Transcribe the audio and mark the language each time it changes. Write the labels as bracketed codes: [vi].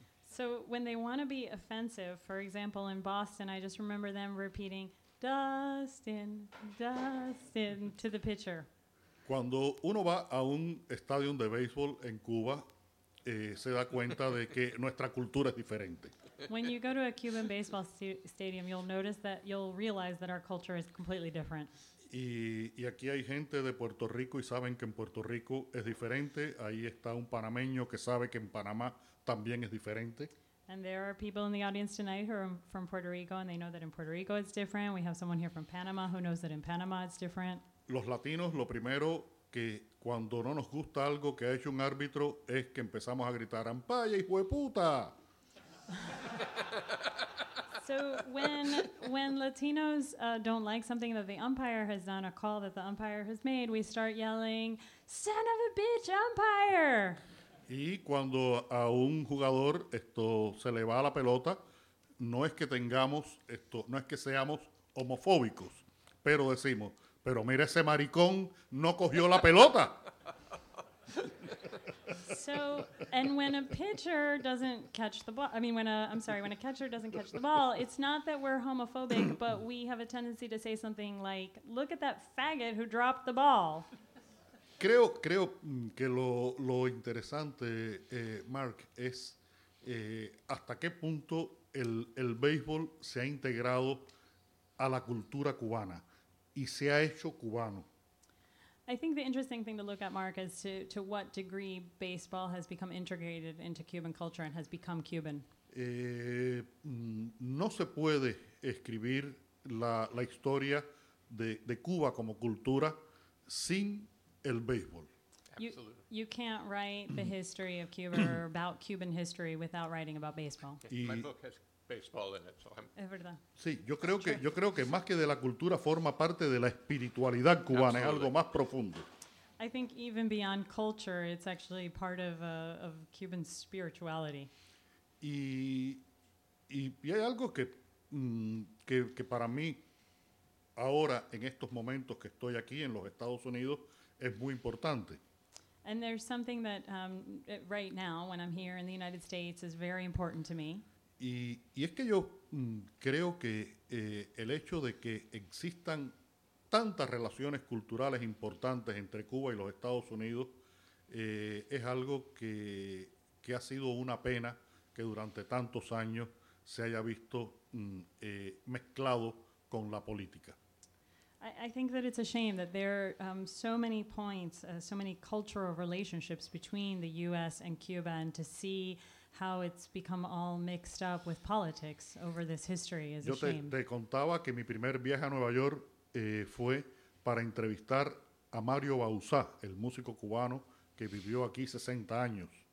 [en] So when they want to be offensive, for example, in Boston, I just remember them repeating, Dustin, to the pitcher. [es] Cuando uno va a un estadio de béisbol en Cuba, se da cuenta de que nuestra cultura es diferente. [en] When you go to a Cuban baseball stadium, you'll realize that our culture is completely different. [es] Y aquí hay gente de Puerto Rico y saben que en Puerto Rico es diferente. Ahí está un panameño que sabe que en Panamá también es diferente. [en] And there are people in the audience tonight who are from Puerto Rico, and they know that in Puerto Rico it's different. We have someone here from Panama who knows that in Panama it's different. [es] Los latinos, lo primero que cuando no nos gusta algo que ha hecho un árbitro es que empezamos a gritar, ¡Ampaya, hijo de puta! [en] So when Latinos don't like something that the umpire has done, a call that the umpire has made, we start yelling, ¡Son of a bitch, umpire! [es] Y cuando a un jugador esto se le va a la pelota, no es que tengamos esto, no es que seamos homofóbicos, pero decimos, pero mira ese maricón, no cogió la pelota. [en] So, and when a pitcher doesn't catch the ball, I mean, when a catcher doesn't catch the ball, it's not that we're homophobic, but we have a tendency to say something like, look at that faggot who dropped the ball. [es] Creo que lo interesante, Mark, es hasta qué punto el béisbol se ha integrado a la cultura cubana y se ha hecho cubano. [en] I think the interesting thing to look at, Mark, is to what degree baseball has become integrated into Cuban culture and has become Cuban. [es] No se puede escribir la historia de Cuba como cultura sin el béisbol. [en] Absolutely. You can't write the history of Cuba or about Cuban history without writing about baseball. My book has baseball in it, so I'm... [es] Es verdad. Sí, yo creo que más que de la cultura forma parte de la espiritualidad cubana. Es algo más profundo. [en] I think even beyond culture, it's actually part of Cuban spirituality. [es] Y hay algo que para mí ahora en estos momentos que estoy aquí en los Estados Unidos es muy importante. [en] And there's something that right now, when I'm here in the United States, is very important to me. [es] Y es que yo creo que el hecho de que existan tantas relaciones culturales importantes entre Cuba y los Estados Unidos es algo que ha sido una pena que durante tantos años se haya visto mezclado con la política. [en] I think that it's a shame that there are so many points, so many cultural relationships between the U.S. and Cuba, and to see how it's become all mixed up with politics over this history is [es] Yo [en] a shame. [es] Yo te contaba que mi primer viaje a Nueva York fue para entrevistar a Mario Bauzá, el músico cubano que vivió aquí 60 años.